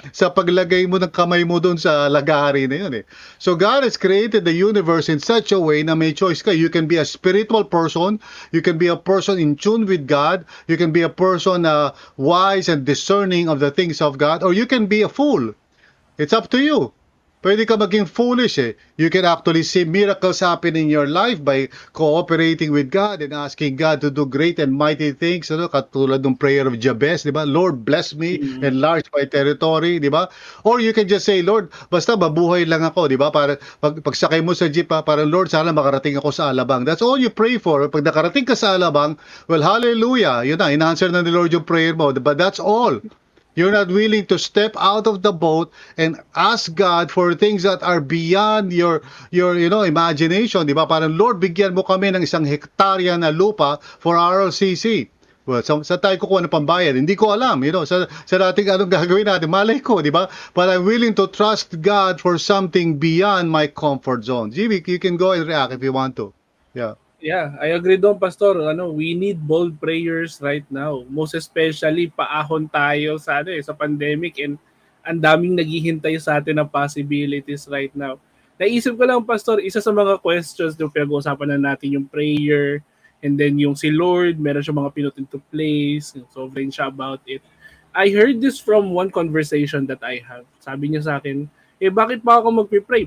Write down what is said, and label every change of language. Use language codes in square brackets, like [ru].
[tl] Sa paglagay mo ng kamay mo doon sa lagari na yun eh. [en] So God has created the universe in such a way [tl] na may choice ka. [en] You can be a spiritual person. You can be a person in tune with God. You can be a person wise and discerning of the things of God. Or you can be a fool. It's up to you. [tl] Pwede ka maging foolish eh. [en] You can actually see miracles happen in your life by cooperating with God and asking God to do great and mighty things. [tl] Ano? Katulad ng [en] prayer of Jabez, [tl] di ba? [en] Lord, bless me, enlarge my territory, di ba? Or you can just say, [tl] Lord, basta mabuhay lang ako, di ba? Para pagsakay mo sa jeep, para Lord, sana makarating ako sa Alabang. [en] That's all you pray for. [tl] Pag nakarating ka sa Alabang, [en] well, hallelujah, [tl] yun na, in-answer na ni Lord yung prayer mo. [en] But that's all. You're not willing to step out of the boat and ask God for things that are beyond your you know, imagination. [tl] Diba? Parang, Lord, bigyan mo kami ng isang hektarya na lupa for RLCC. Well, sa tayo kukuha ng pambayad, hindi ko alam. [en] You know, [tl] sa dating anong gagawin natin, malay ko, diba? [en] But I'm willing to trust God for something beyond my comfort zone. Jimmy, you can go and react if you want to. Yeah, I agree [tl] doon, [en] Pastor. [tl] Ano, [en] we need bold prayers right now. Most especially, [tl] paahon tayo sa, ano, sa pandemic and ang daming naghihintay sa atin ng possibilities [en] right now. [tl] Naisip ko lang, Pastor, isa sa mga questions yung pinag-uusapan na natin yung prayer and then yung si Lord, meron siya mga pinutin to place, sovereign siya about it. [en] I heard this from one conversation that I have. [tl] Sabi niya sa akin, eh bakit pa ako magpipray?